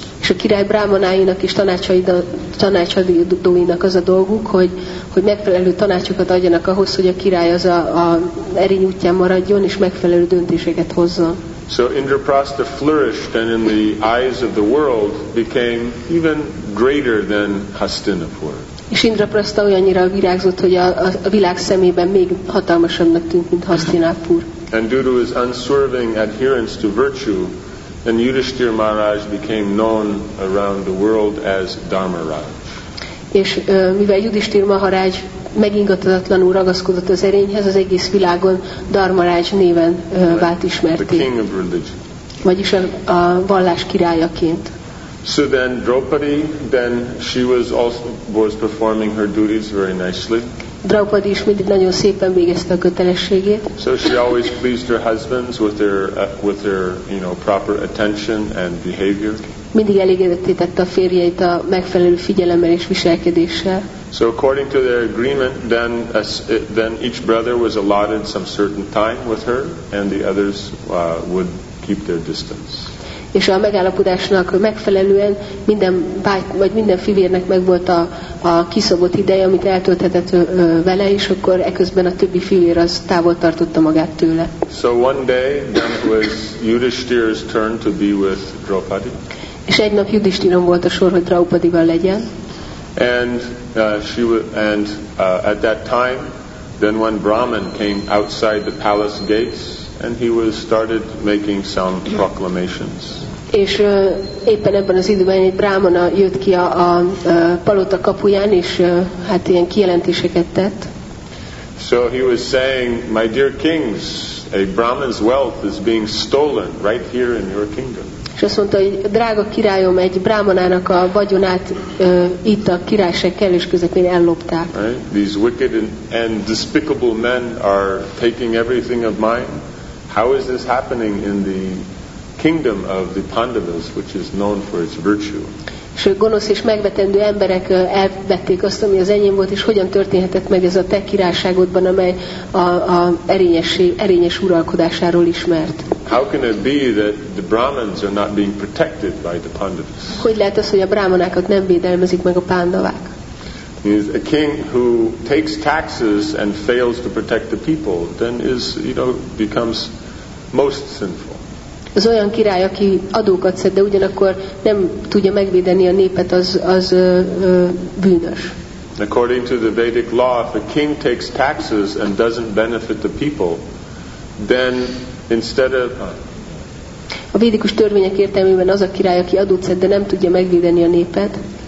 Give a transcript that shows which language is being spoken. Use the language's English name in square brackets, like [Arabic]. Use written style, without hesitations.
[Hungarian] És a király brámanáinak és tanácsadóinak az a dolguk, hogy megfelelő tanácsokat adjanak ahhoz, hogy a király az a erény útján maradjon és megfelelő döntéseket hozzon. [English] So Indraprastha flourished and in the eyes of the world became even greater than Hastinapura. [Hungarian] És Indraprastha olyannyira virágzott, hogy a világ szemében még hatalmasabbnak tűnt, mint Hastinapur. [English] And due to his unswerving adherence to virtue, and Yudhishthira Maharaj became known around the world as Dharmaraj. [Hungarian] És mivel Yudhishthira Maharaj megingathatatlanul ragaszkodott az erényhez, az egész világon Dharmaraj néven vált ismertté. [English] The king of religion. [Hungarian] Vagyis a vallás királyaként. [English] So then Draupadi, then she was also was performing her duties very nicely. [Hungarian] Draupadi is mindig nagyon szépen végezte a kötelességét. [English] So she always pleased her husbands with her you know, proper attention and behavior. [Hungarian] Mindig elégedetté tette a férjeit a megfelelő figyelemmel és viselkedéssel. [English] So according to their agreement, then each brother was allotted some certain time with her, and the others would keep their distance. [Hungarian] És a megállapodásnak megfelelően minden báty, vagy minden fivérnek megvolt a kiszabott ideje, amit eltölthetett vele, és akkor eközben a többi fivér az távol tartotta magát tőle. [English] So one day then was Yudhishthira's turn to be with Draupadi. [Hungarian] És egy nap Yudhishthira volt a sor, hogy Draupadival legyen. [English] And at that time then one Brahmin came outside the palace gates and he was started making some proclamations. [Hungarian] És éppen ebben az időben egy brámana jött ki a palota kapuján, és hát ilyen kijelentéseket tett. [English] So he was saying, my dear kings, a brahmin's wealth is being stolen right here in your kingdom. [Hungarian] És azt mondta, hogy drága királyom, egy brámanának a vagyonát itt a királyság kellős közepén ellopták. [English] Right? These wicked and despicable men are taking everything of mine. How is this happening in the kingdom of the Pandavas, which is known for its virtue? [Hungarian] És a gonosz és megvetendő emberek elvették azt, ami az enyém volt, és hogyan történhetett meg ez a te királyságodban, amely a erényes uralkodásáról ismert? [English] How can it be that the Brahmins are not being protected by the Pandavas? [Hungarian] Hogy lehet az, hogy a brámanákat nem védelmezik meg a pándavák? [English] Is a king who takes taxes and fails to protect the people, then is, you know, becomes most sinful. [Hungarian] Az olyan király, aki adókat szed, de ugyanakkor nem tudja megvédeni a népet, az bűnös. [English] According to the Vedic law, if a king takes taxes and doesn't benefit the people, then instead of [Hungarian] a védikus törvények értelmében az a király, aki adót szed, de nem tudja megvédeni a népet,